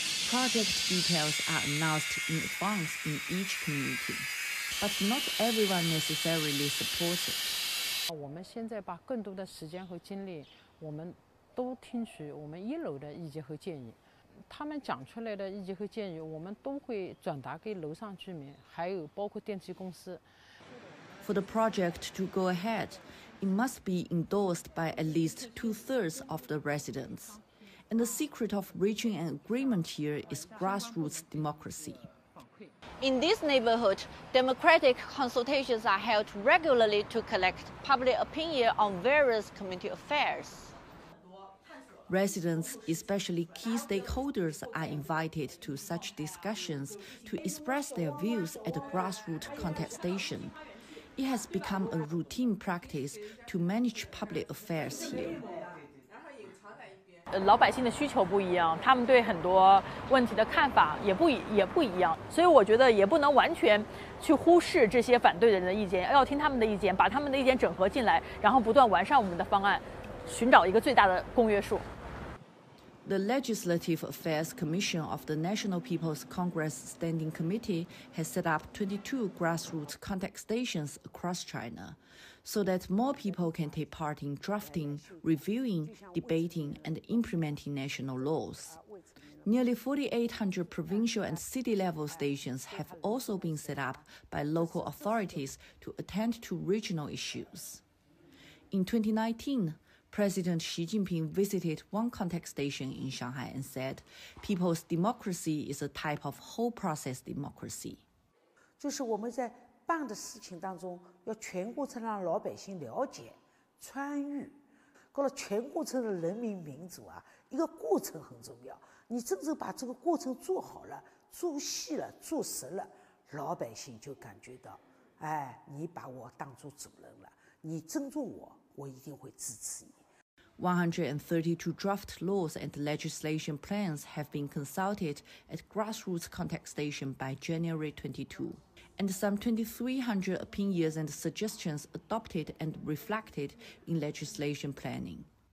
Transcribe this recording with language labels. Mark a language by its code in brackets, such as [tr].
[en] Project details are announced in advance in each community, but not everyone necessarily supports it. We now put more time and energy into it. We all listen to our lower-level residents' advice. [zh] 他们讲出来的意见和建议，我们都会转达给楼上居民，还有包括电梯公司。 [en] For the project to go ahead, it must be endorsed by at least 2/3 of the residents. And the secret of reaching an agreement here is grassroots democracy. In this neighborhood, democratic consultations are held regularly to collect public opinion on various community affairs. Residents, especially key stakeholders, are invited to such discussions to express their views at a grassroots contestation. It has become a routine practice to manage public affairs here. [zh] 老百姓的需求不一样，他们对很多问题的看法也不一样，所以我觉得也不能完全去忽视这些反对人的意见，要听他们的意见，把他们的意见整合进来，然后不断完善我们的方案，寻找一个最大的公约数。 [en] The Legislative Affairs Commission of the National People's Congress Standing Committee has set up 22 grassroots contact stations across China so that more people can take part in drafting, reviewing, debating, and implementing national laws. Nearly 4,800 provincial and city-level stations have also been set up by local authorities to attend to regional issues. In 2019,President Xi Jinping visited one contact station in Shanghai and said, people's democracy is a type of whole process democracy. [zh] 就是我们在办的事情当中要全过程让老百姓了解参与。过了全过程的人民民主啊一个过程很重要。你真正把这个过程做好了做细了做实了老百姓就感觉到哎你把我当作主人了你尊重我我一定会支持你。 [en] 132 draft laws and legislation plans have been consulted at grassroots contact station by January 22, and some 2,300 opinions and suggestions adopted and reflected in legislation planning.